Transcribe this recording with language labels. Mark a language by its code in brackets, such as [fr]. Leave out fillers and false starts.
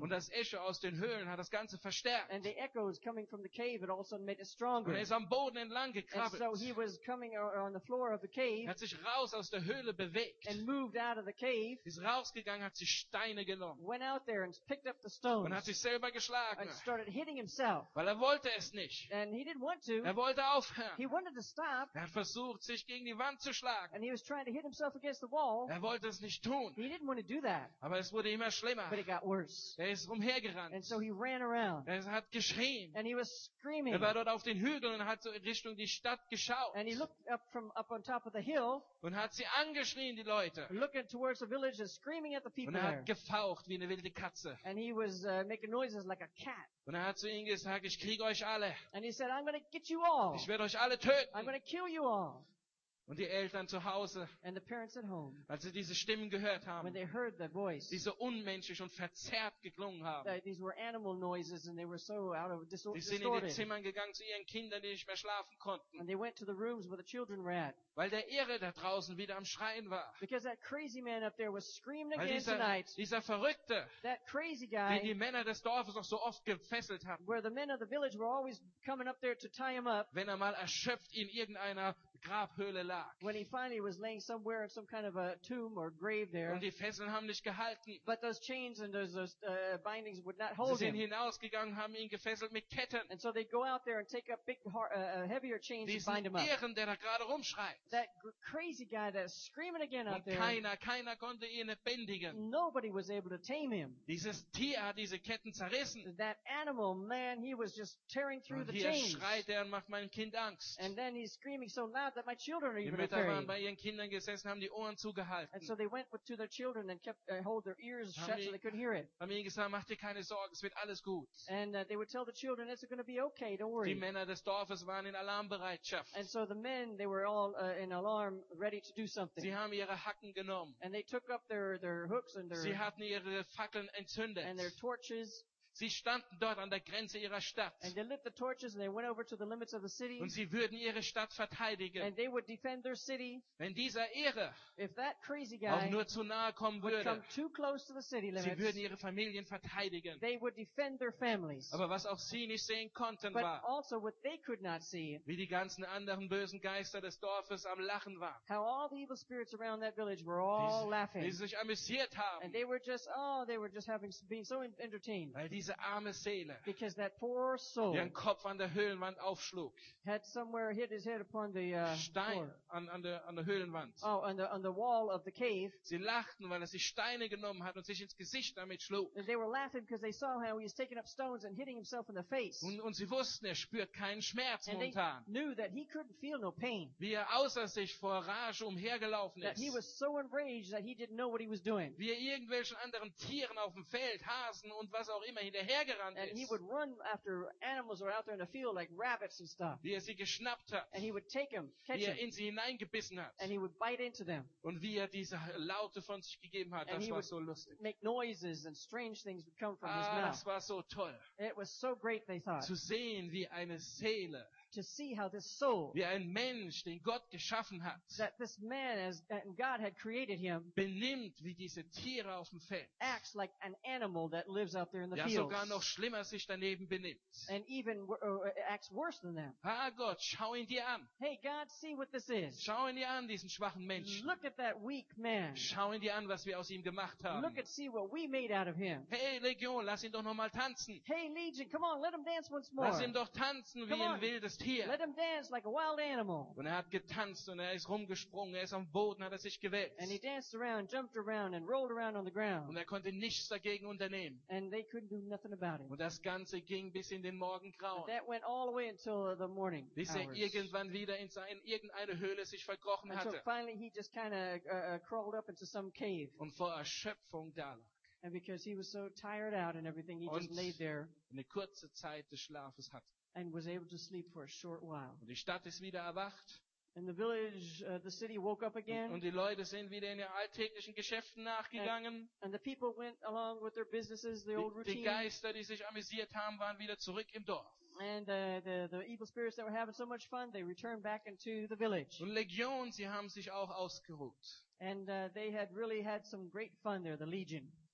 [de] Und das Echo aus den Höhlen hat das Ganze verstärkt. [en] And the echoes coming from the cave it all of a sudden made it stronger. [de] Und er ist am Boden entlang gekrabbelt. [en] And so he was coming on the floor of the cave. [de] Er hat sich raus aus der Höhle bewegt. [en] And moved out of the cave. [de] Ist rausgegangen, hat sich Steine genommen. [en] Went out there and picked up the stones. [de] Und hat sich selber geschlagen. [en] And started hitting himself. [de] Weil er wollte es nicht. [en] And he didn't want to. [de] Er wollte [en] He wanted to stop. [de] Er hat versucht, sich gegen die Wand zu schlagen. [en] And he was trying to hit himself against the wall. [de] Er wollte es nicht tun. [en] He didn't want to do that. [de] Aber es wurde immer schlimmer. [en] But it got worse. [de] Er ist umhergerannt. [en] And so he ran around. [de] Er hat geschrien. [en] And he was screaming. [de] Er war dort auf den Hügeln und hat so in Richtung die Stadt geschaut. [en] And he looked up from up on top of the hill. [de] Und hat sie angeschrien, die Leute. [en] Looking towards the village and screaming at the people there. [de] Und er hat gefaucht wie eine wilde Katze. [en] And he was making noises like a cat. [de] Und er hat zu ihnen gesagt, ich kriege euch alle. [en] And he said, I'm going to get you all. [de] Ich werde euch alle töten. [en] I'm going to kill you all. [de] Und die Eltern zu Hause, [en] and the parents at home, [de] als sie diese Stimmen gehört haben, [en] when they heard the voice, [de] die so unmenschlich und verzerrt geklungen haben, [en] these were animal noises and they were so out of distorted. [de] Die sind in die Zimmern gegangen zu ihren Kindern, die nicht mehr schlafen konnten. [en] And they went to the rooms where the children were at. [de] Weil der Irre da draußen wieder am Schreien war. [en] Because that crazy man up there was screaming [de] Weil [en] again [de] dieser, [en] tonight. [de] Dieser Verrückte, [en] that crazy guy, [de] den die Männer des Dorfes auch so oft gefesselt hatten. [en] Where the men of the village were always coming up there to tie him up. [de] Wenn er mal erschöpft in irgendeiner Grabhöhle lag. [en] When he finally was laying somewhere in some kind of a tomb or grave there. [de] Und die Fesseln haben nicht gehalten. [en] But those chains and those bindings would not hold him. [de] Sie sind hinausgegangen, haben ihn gefesselt mit Ketten. [en] And so they'd go out there and take up big, heavier chains [de] Diesen [en] and bind him up. [de] Diesen Irren, der da gerade rumschreit. [en] That crazy guy that's screaming again [de] Und [en] out there. [de] Keiner konnte ihn bändigen. [en] Nobody was able to tame him. [de] Dieses Tier hat diese Ketten zerrissen. [en] That animal, man, he was just tearing through [de] Und [en] the chains. [de] Und hier schreit er und macht meinem Kind Angst. [en] And then he's screaming so loud that my children [de] Die Mütter waren bei ihren Kindern gesessen, haben die Ohren zugehalten. [en] And so they went to their children and kept hold their ears shut so they couldn't hear it. [de] Haben ihnen gesagt, mach dir keine Sorgen, es wird alles gut. [en] And they would tell the children, it's going to be okay, don't worry. [de] Die Männer des Dorfes waren in Alarmbereitschaft. [en] And so the men, they were all in alarm, ready to do something. [de] Sie haben ihre Hacken genommen. [en] And they took up their hooks and their. [de] Sie hatten ihre Fackeln entzündet. [en] And their torches. [de] Sie standen dort an der Grenze ihrer Stadt. [en] And they lit the torches and they went over to the limits of the city. [de] Und sie würden ihre Stadt verteidigen. [en] And they would defend their city. [de] Wenn dieser Irre [en] If that crazy guy [de] auch nur zu nahe kommen würde, [en] would come too close to the city limits, [de] sie würden ihre Familien verteidigen. [en] They would defend their families. [de] Aber was auch sie nicht sehen konnten, [en] But [de] war, [en] also what they could not see, [de] wie die ganzen anderen bösen Geister des Dorfes am Lachen waren. [en] How all the evil spirits around that village were all laughing. [de] Die sich amüsiert haben. [en] And they were just having been so entertained. [de] Weil diese arme Seele, [en] because that poor soul, [de] ihren Kopf an der Höhlenwand aufschlug, [en] had somewhere hit his head upon the [de] Stein [en] floor. [de] An der Höhlenwand. [en] Oh, on the wall of the cave. [de] Sie lachten, weil er sich Steine genommen hat und sich ins Gesicht damit schlug. [en] And they were laughing because they saw how he was taking up stones and hitting himself in the face. [de] Und sie wussten, er spürt keinen Schmerz [en] and [de] momentan. [en] They knew that he couldn't feel no pain. [de] Wie er außer sich vor Rage umhergelaufen [en] that [de] ist. [en] He was so enraged that he didn't know what he was doing. [de] Wie er irgendwelchen anderen Tieren auf dem Feld, Hasen und was auch immer hinterher [en] And he would run after animals that were out there in the field, like rabbits and stuff. [de] Wie er sie geschnappt hat. [en] And he would take them, catch them. [de] Wie er in sie hineingebissen hat. [en] And he would bite into them. [de] Und wie er diese Laute von sich gegeben hat. [en] And [de] das [en] he [de] war [en] would [de] so lustig. [en] Make noises and strange things would come from his mouth. [de] Das war so toll. [en] It was so great, they thought. [de] Zu sehen, wie eine Seele [en] to see how this soul, [de] wie ein Mensch, den Gott geschaffen hat, [en] that this man as God had created him, [de] benimmt wie diese Tiere auf dem Feld, [en] acts like an animal that lives out there in the fields, [de] sogar noch schlimmer sich daneben benimmt, [en] and even acts worse than them. [de] Ah Gott, schau ihn dir an. [en] Hey God, see what this is. [de] Schau ihn dir an, diesen schwachen Menschen. [en] Look at that weak man. [de] Schau ihn dir an, was wir aus ihm gemacht haben. [en] Look at see what we made out of him. [de] Hey Legion, lass ihn doch noch mal tanzen. [en] Hey Legion, come on, let him dance once more. [de] Lass ihn doch tanzen wie ein wildes Tier. [en] Let him dance like a wild animal. [de] Und er hat getanzt und er ist rumgesprungen, er ist am Boden, hat er sich gewälzt. [en] And he danced around, jumped around and rolled around on the ground. [de] Und er konnte nichts dagegen unternehmen. [en] And they couldn't do nothing about it. [de] Und das Ganze ging bis in den Morgengrauen. [en] That went all the way until the morning. [de] Bis er irgendwann wieder in irgendeine Höhle sich verkrochen hatte. [en] Until finally he just kind of crawled up into some cave. [de] Und vor Erschöpfung da lag. [en] And because he was so tired out and everything, he just laid there. [de] Eine kurze Zeit des Schlafes hatte. [en] And was able to sleep for a short while. [de] Und die Stadt ist wieder erwacht. [en] And the village, the city woke up again. [de] Und die Leute sind wieder in ihren alltäglichen Geschäften nachgegangen. [en] And the people went along with their businesses, the old routine. [de] Die Geister, die sich amüsiert haben, waren wieder zurück im Dorf. [en] And the evil spirits that were having so much fun, they returned back into the village. [de] Und Legion, sie haben sich auch ausgeruht. [en] And they had really had some great fun there, the Legion.